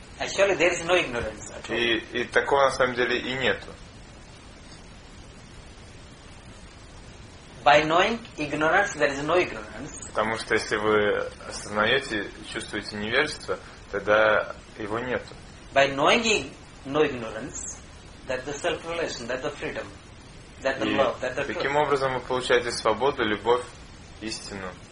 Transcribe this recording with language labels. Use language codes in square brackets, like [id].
[en] Actually, there is no ignorance at all. [ru] И такого на самом деле и нету. [en] By knowing ignorance, there is no ignorance. [ru] Потому что если вы осознаете, чувствуете невежество, тогда его нету. [en] By knowing no ignorance, that the self-realization, that the freedom, that the love, that the truth. [ru] Таким образом вы получаете свободу, любовь, истину.